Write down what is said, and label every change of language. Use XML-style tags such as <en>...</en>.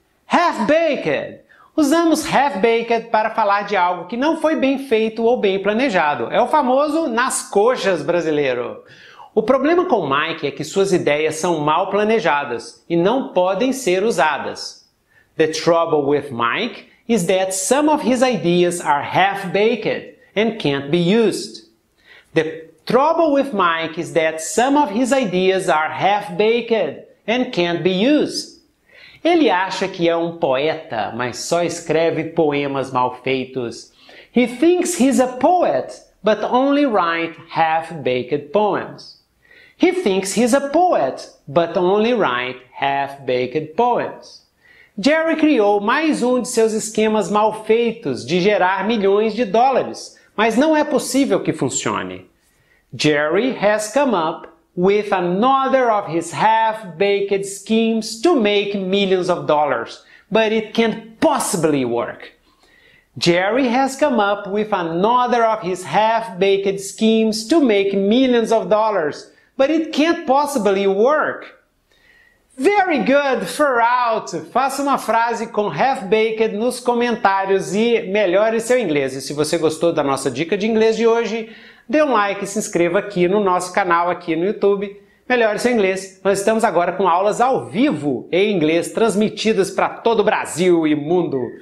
<pt>Half-baked! Usamos half-baked para falar de algo que não foi bem feito ou bem planejado. É o famoso nas coxas brasileiro. O problema com Mike é que suas ideias são mal planejadas e não podem ser usadas.</pt> <en>The trouble with Mike is that some of his ideas are half-baked and can't be used. The trouble with Mike is that some of his ideas are half-baked and can't be used.</en> <pt>Ele acha que é um poeta, mas só escreve poemas mal feitos.</pt> <en>He thinks he's a poet, but only writes half-baked poems. He thinks he's a poet, but only writes half-baked poems.</en> <pt>Jerry criou mais um de seus esquemas mal feitos de gerar milhões de dólares, mas não é possível que funcione.</pt> <en>Jerry has come up with another of his half-baked schemes to make millions of dollars, but it can't possibly work. Jerry has come up with another of his half-baked schemes to make millions of dollars, but it can't possibly work. Very good, Ferrault!</en> <pt>Faça uma frase com half-baked nos comentários e melhore seu inglês. E se você gostou da nossa dica de inglês de hoje, dê um like e se inscreva aqui no nosso canal, aqui no YouTube. Melhore seu inglês. Nós estamos agora com aulas ao vivo em inglês, transmitidas para todo o Brasil e mundo.</pt>